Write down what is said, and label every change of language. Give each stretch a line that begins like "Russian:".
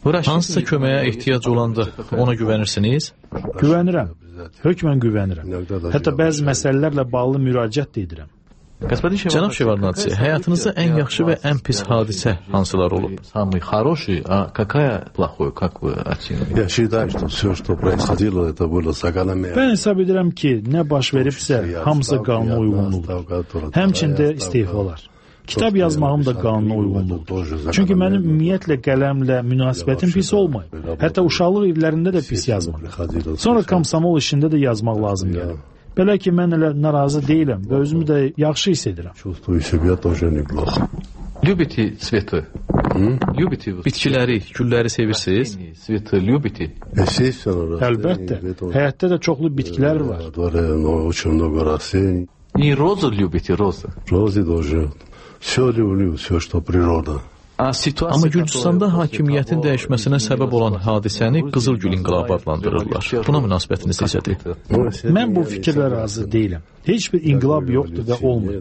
Azerbaijani: Hansısa köməyə ehtiyac olanda ona güvənirsiniz? Güvənirəm, hökmən güvənirəm. Hətta bəzi məsələlərlə bağlı müraciət edirəm. Cənab Şevardnadze, həyatınızda ən yaxşı və ən pis hadisə hansılar olub?
Russian: Самый хороший, а какая плохой, как вы оцениваете? Я считаю, что всё, что происходило, это было закономерно.
Azerbaijani: Мен хисап edirəm ki, nə baş veribsə, hamısı qanuna uyğunluqdur. Həmçində istefalar. Kitab yazmağım da qanuna uyğunluqdur. Çünki mənim ümumiyyətlə qələmlə münasibətim pis olmayıb. Hətta uşaqlıq illərində də pis yazmadım. Sonra komsomol işində də yazmaq lazım gəldi. Belə ki, mən elə narazı deyiləm və özümü də yaxşı hiss edirəm.
Russian: Любите цветы? Любите
Azerbaijani: bitkiləri, külləri sevirsiniz?
Russian: Цветы любите?
Azerbaijani: Əlbəttə. Həyatda da çoxlu bitkilər var.
Russian: И розы любите, розы? Розы тоже. Всё люблю, всё, что природа.
Azerbaijani: Amma Gürcüstanda hakimiyyətin dəyişməsinə səbəb olan hadisəni Qızıl Gül İnqilabı adlandırırlar. Buna münasibətiniz necədir? Mən bu fikirlə razı deyiləm. Heç bir inqilab yoxdur və olmur.